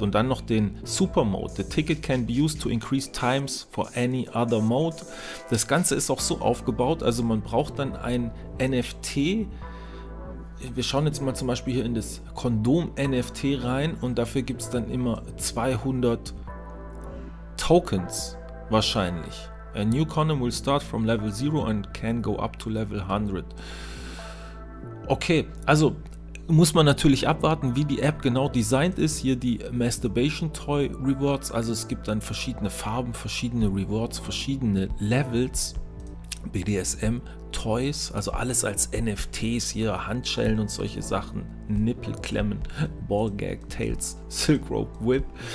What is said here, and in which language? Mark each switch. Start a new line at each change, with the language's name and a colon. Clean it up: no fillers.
German: Und dann noch den Super-Mode.
English: The ticket can be used to increase times for any other mode.
German: Das Ganze ist auch so aufgebaut, also man braucht dann ein NFT. Wir schauen jetzt mal zum Beispiel hier in das Kondom-NFT rein und dafür gibt es dann immer 200 Tokens wahrscheinlich.
English: A new condom will start from level 0 and can go up to level 100.
German: Okay, also muss man natürlich abwarten, wie die App genau designt ist. Hier die Masturbation Toy Rewards. Also es gibt dann verschiedene Farben, verschiedene Rewards, verschiedene Levels. BDSM-Toys, also alles als NFTs hier, Handschellen und solche Sachen, Nippelklemmen, Ballgag-Tails, Silk Rope Whip.